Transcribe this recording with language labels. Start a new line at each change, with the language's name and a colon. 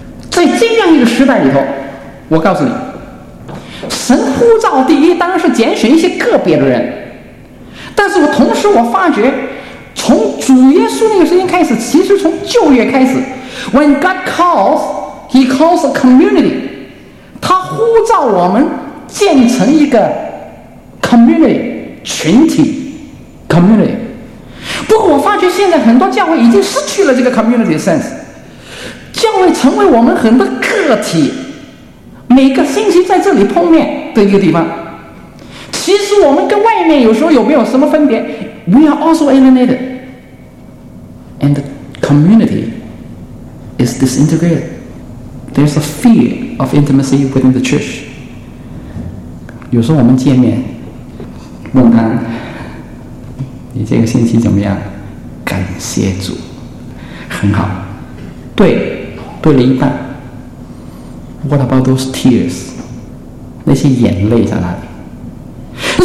Chinese: 在这样一个时代里头，我告诉你，神呼召第一当然是拣选一些个别的人，但是我同时我发觉，从主耶稣那个时间开始，其实从旧约开始，
English: When God calls， He calls a community，
Chinese: 他呼召我们建成一个 community， 群体 community。不过我发觉现在很多教会已经失去了这个 community sense， 教会成为我们很多个体每个星期在这里碰面的一个地方。其实我们跟外面有时候有没有什么分别？
English: We are also alienated and the community is disintegrated. There's a fear of intimacy within the church.
Chinese: 有时候我们见面问他，你这个星期怎么样？感谢主，很好。对，对了一半。
English: What about those tears?
Chinese: 那些眼泪在哪里？